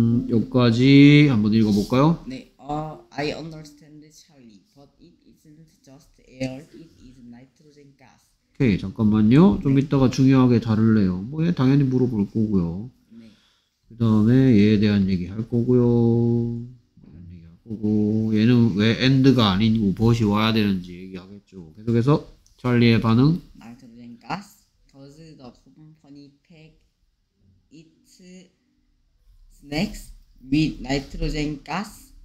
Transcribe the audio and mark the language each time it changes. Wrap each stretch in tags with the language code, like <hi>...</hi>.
<ko>여기까지 한번 읽어볼까요? 네.</ko> <en>I understand Charlie, but it isn't just air. It is nitrogen gas.</en> <ko>오케이. 잠깐만요. 좀 네. 이따가 중요하게 다룰래요. 뭐 얘 당연히 물어볼 거고요. 네. 그 다음에 얘에 대한 얘기할 거고요. 그리고 얘는 왜 엔드가 아니고 벗이 와야 되는지 얘기하겠죠. 계속해서 찰리의 반응.</ko> <en>Nitrogen gas. Does the company pack its snacks with nitrogen gas?</en>